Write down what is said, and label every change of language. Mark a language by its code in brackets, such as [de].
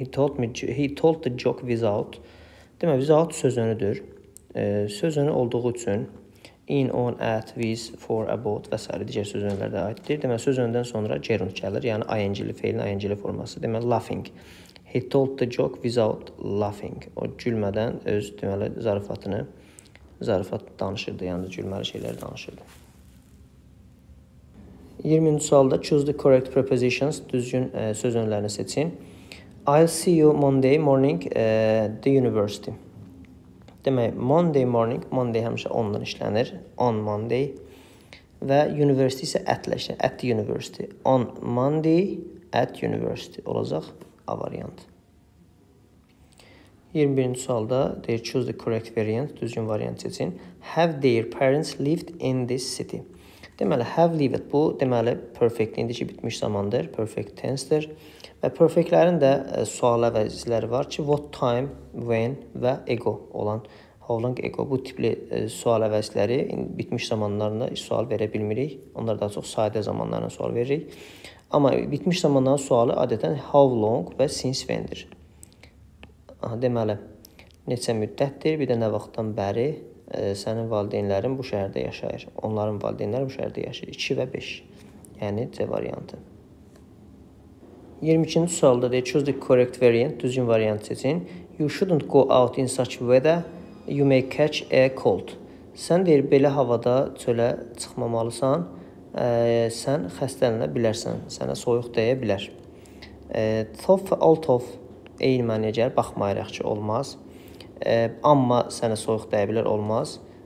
[en] He told the joke without. [az] Deməli, without söz önüdür. Söz önü olduğu üçün in, on, at, with, for, about və s. digər söz önlərdə aiddir. Deməli, söz önündən sonra gerund gəlir, yəni ing-li feilin ing-li forması. Deməli, laughing. [en] He told the joke without laughing. [az] O gülmədən öz deməli zarafat danışırdı, yəni gülməli şeylər danışırdı. 20-ci sualda [en] choose the correct prepositions, [az] düzgün söz önlərini seçin. [en] I'll see you Monday morning at the university. [az] Demək, Monday morning, Monday həmişə ondan işlənir, on Monday. Ve university ise at'leşir. [en] At the university. On Monday at university olacak A variant. [az] 21-ci sualda they [en] choose the correct variant. [az] Düzgün variant seçin. [en] Have their parents lived in this city? [az] Deməli have lived bu deməli perfect indi ki bitmiş zamandır. Perfect tense-dir. Və perfectlərin də sual əvəzləri var ki what time, when və ego olan. How long ago bu tipli sual əvəzləri bitmiş zamanlarında sual verə bilmirik. Onlar daha çox sadə zamanlarına sual veririk. Amma bitmiş zamandan sualı adətən how long və since when-dir. Aha, deməli, neçə müddətdir, bir də nə vaxtdan bəri sənin valideynlərin bu şəhərdə yaşayır. Onların valideynləri bu şəhərdə yaşayır. 2 və 5, yəni C variantı. 22-ci sualda deyir, [en] choose the correct variant, [az] düzgün variant seçin. [en] You shouldn't go out in such weather, you may catch a cold. [az] Sən deyir, belə havada çölə çıxmamalısan, sən xəstələnə bilərsən, sənə soyuq dəyə bilər. Tough, all tough. Eyni mənəyə gəlir, baxmayaraq ki, olmaz. Amma sənə soyuq dəyə bilər, olmaz.